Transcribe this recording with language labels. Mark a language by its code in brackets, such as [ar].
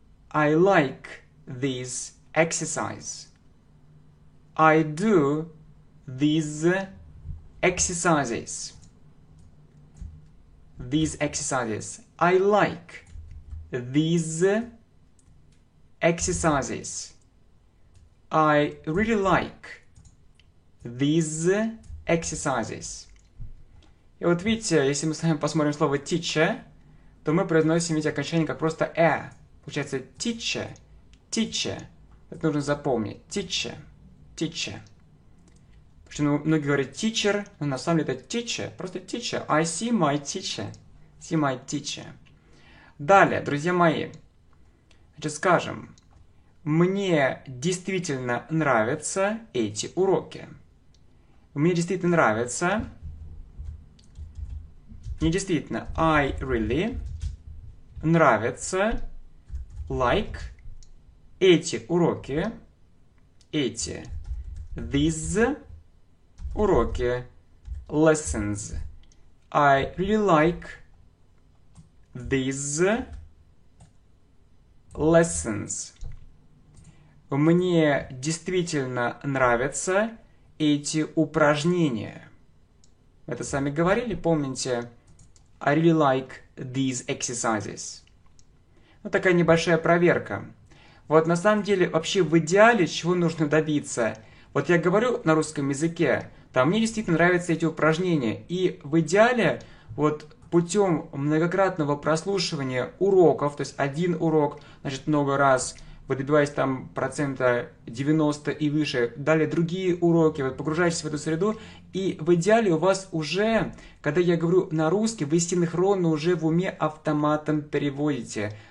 [en] I like this exercise. I do these exercises. These exercises. I like these exercises. I really like these exercises. [ru] И вот видите, если мы с вами посмотрим слово teacher, то мы произносим эти окончания как просто e. Получается teacher, teacher. Это нужно запомнить. Teacher, teacher. Почему многие говорят teacher, но на самом деле это teacher, просто teacher. [en] I see my teacher. See my teacher. [ru] Далее, друзья мои, значит, скажем, мне действительно нравятся эти уроки. Мне действительно нравится. Мне действительно. [en] I really [ru] нравится. [en] Like. [ru] Эти уроки. Эти. [en] These [ru] уроки. [en] Lessons. I really like these lessons. [ru] Мне действительно нравятся эти упражнения. Мы это сами говорили, помните? [en] I really like these exercises. [ru] Ну, такая небольшая проверка. Вот на самом деле, вообще в идеале, чего нужно добиться? Вот я говорю на русском языке, там мне действительно нравятся эти упражнения. И в идеале, вот путем многократного прослушивания уроков, то есть один урок, значит, много раз, вы добиваетесь там процента 90 и выше, далее другие уроки, вот погружаетесь в эту среду, и в идеале у вас уже, когда я говорю на русский, вы синхронно уже в уме автоматом переводите.